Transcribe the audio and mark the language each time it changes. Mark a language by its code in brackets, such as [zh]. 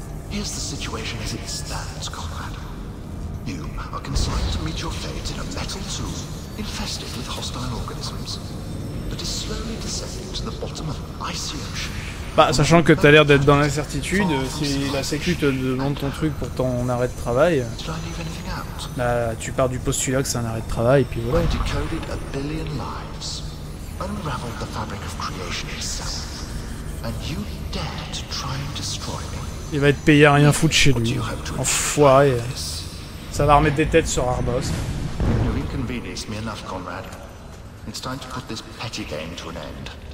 [en] Here's the situation as it stands, Conrad. You are consigned to meet your fate in a metal tomb infested with hostile organisms that is slowly descending to the bottom of an icy ocean. [fr] Bah, sachant que t'as l'air d'être dans l'incertitude, si la sécu te demande ton truc pour ton arrêt de travail, bah, tu pars du postulat que c'est un arrêt de travail, et puis voilà. [en] I decoded a billion lives, unraveled the fabric of creation itself, and you dare to try and destroy me. [fr] Il va être payé à rien foutre chez lui. Enfoiré. Ça va remettre des têtes sur Arbos. [en] You've inconvenienced me enough, Conrad. It's time to put this petty game to an end.